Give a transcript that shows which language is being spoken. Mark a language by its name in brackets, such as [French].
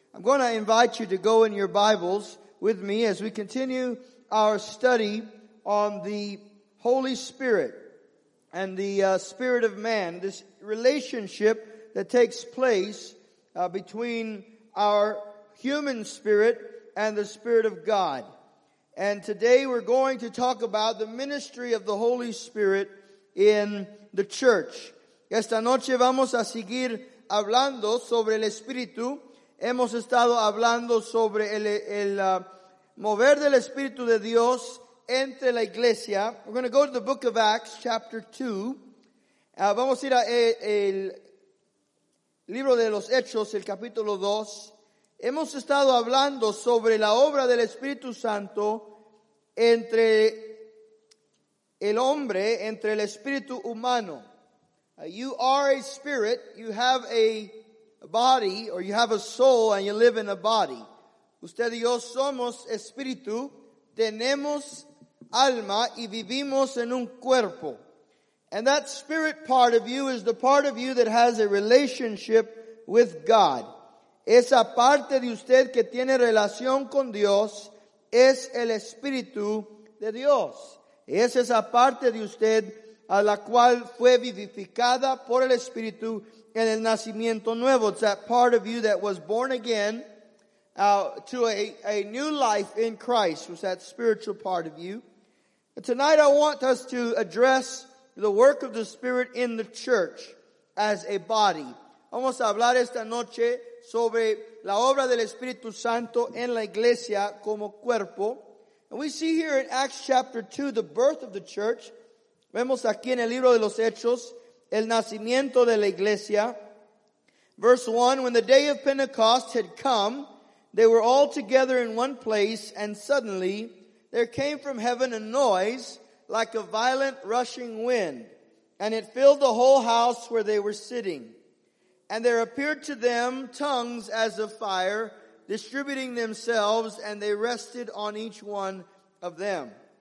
[English] I'm going to invite you to go in your Bibles with me as we continue our study on the Holy Spirit and the Spirit of man, this relationship that takes place between our human spirit and the Spirit of God. And today we're going to talk about the ministry of the Holy Spirit in the church. [Spanish] Esta noche vamos a seguir hablando sobre el Espíritu. Hemos estado hablando sobre el mover del Espíritu de Dios entre la iglesia. [English] We're going to go to the book of Acts, chapter 2. [Spanish] Vamos a ir al libro de los Hechos, el capítulo 2. Hemos estado hablando sobre la obra del Espíritu Santo entre el hombre, entre el espíritu humano. [English] You are a spirit, you have a body, or you have a soul, and you live in a body. [Spanish] Usted y yo somos espíritu, tenemos alma, y vivimos en un cuerpo. [English] And that spirit part of you is the part of you that has a relationship with God. [Spanish] Esa parte de usted que tiene relación con Dios es el espíritu de Dios. Es esa parte de usted a la cual fue vivificada por el espíritu en el nacimiento nuevo. [English] It's that part of you that was born again to a new life in Christ. It was that spiritual part of you. But tonight I want us to address the work of the Spirit in the church as a body. [Spanish] Vamos a hablar esta noche sobre la obra del Espíritu Santo en la iglesia como cuerpo. [English] And we see here in Acts chapter 2 the birth of the church. [Spanish] Vemos aquí en el libro de los Hechos el nacimiento de la iglesia. [English] Verse 1, when the day of Pentecost had come, they were all together in one place, and suddenly there came from heaven a noise like a violent rushing wind, and it filled the whole house where they were sitting. And there appeared to them tongues as of fire, distributing themselves, and they rested on each one of them.